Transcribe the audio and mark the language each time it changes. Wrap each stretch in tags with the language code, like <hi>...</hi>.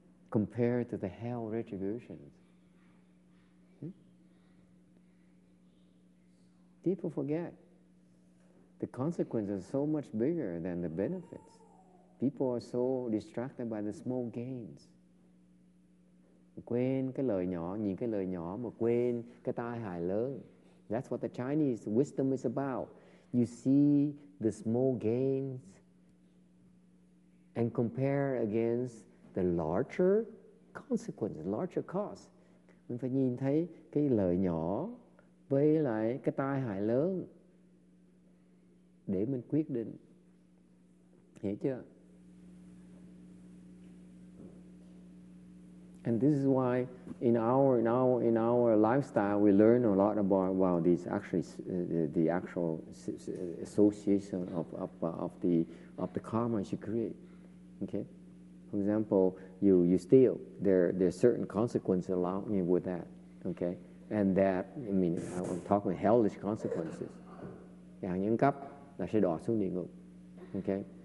<en>Compared to the hell retributions. People forget. The consequences are so much bigger than the benefits. People are so distracted by the small gains.</en> <vi>Quên cái lời nhỏ, nhìn cái lời nhỏ mà quên cái tai hại lớn.</vi> <en>That's what the Chinese wisdom is about. You see the small gains and compare against the larger consequences, larger costs.</en> <vi>Mình phải nhìn thấy cái lợi nhỏ với lại cái tai hại lớn để mình quyết định. Hiểu chưa?</vi> <en>And this is why in our lifestyle we learn a lot about the actual association of the karma you create. Okay? For example, you steal. There are certain consequences along with that, okay? And that, I mean, I'm talking hellish consequences.</en> <vi>Yeah, những cấp là sẽ đọa xuống địa ngục, okay?</vi>